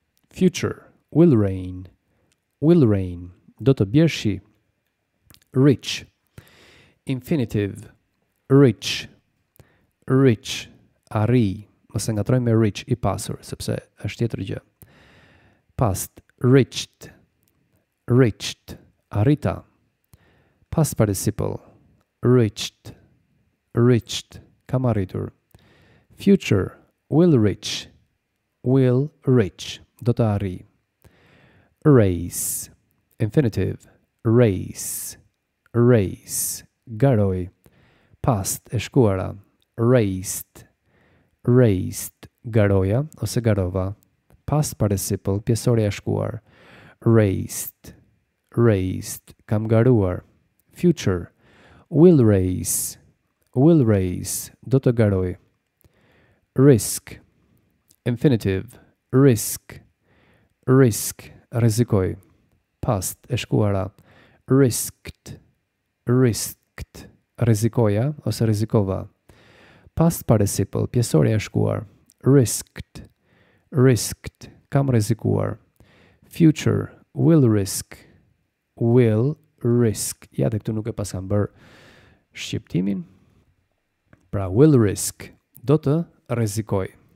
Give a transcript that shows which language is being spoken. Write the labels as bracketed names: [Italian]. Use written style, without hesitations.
[English] Future, will rain, [Albanian] do të bjerë shi. [English] Rich, infinitive, rich, rich, [Albanian] arri. Mos e ngatrojmë me rich I pasur, sepse është tjetër gjë. [English] Past, reached, reached, [Albanian] arrita. [English] Past participle, reached, reached, [Albanian] kam arritur. [English] Future, will reach, [Albanian] do të arri. [English] Race, infinitive, race, race, [Albanian] garoj. [English] Past, [Albanian] e shkuara, [English] raced, raced, [Albanian] garoja ose garova. [English] Past participle, [Albanian] pjesore e shkuar, [English] raced, raced, [Albanian] kam garuar. [English] Future, will race, [Albanian] do të garoj. [English] Risk, infinitive, risk, risk, [Albanian] rrezikoj. [English] Past [Albanian] e shkuara, [English] risked, risked, [Albanian] rrezikoja ose rrezikova. [English] Past participle, [Albanian] pjesore e shkuar, [English] risked, risked, [Albanian] kam rrezikuar. [English] Future, will risk, will risk. [Albanian] Ja, dhe këtu nuk e pasam bër shqiptimin. Pra, [English] will risk, [Albanian] do të rrezikoj.